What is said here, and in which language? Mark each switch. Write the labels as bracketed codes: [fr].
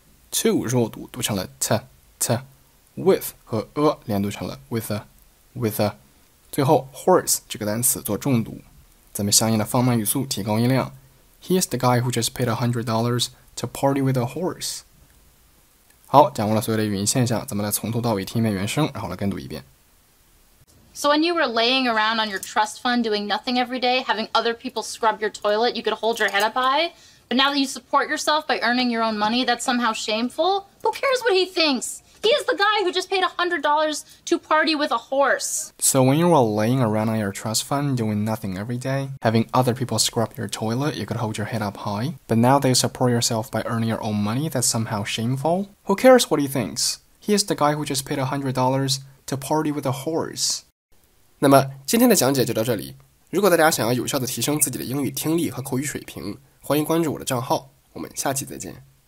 [zh] To 弱读读成了 t, t. With 和 a 连读成了 [en] with a, with a [zh] 最后 horse 这个单词做重读，咱们相应的放慢语速，提高音量。 [en] He's the guy who just paid $100 to party with a horse. [zh] 好，掌握了所有的语音现象，咱们来从头到尾听一遍原声，然后来跟读一遍。 [en] So when you were laying around on your trust fund doing nothing every day, having other people scrub your toilet you could hold your head up high, but now that you support yourself by earning your own money, that's somehow shameful? Who cares what he thinks? He is the guy who just paid $100 to party with a horse. So when you were laying around on your trust fund doing nothing every day, having other people scrub your toilet you could hold your head up high, but now that you support yourself by earning your own money, that's somehow shameful? Who cares what he thinks? He is the guy who just paid $100 to party with a horse. [zh] 那么今天的讲解就到这里。如果大家想要有效地提升自己的英语听力和口语水平，欢迎关注我的账号，我们下期再见。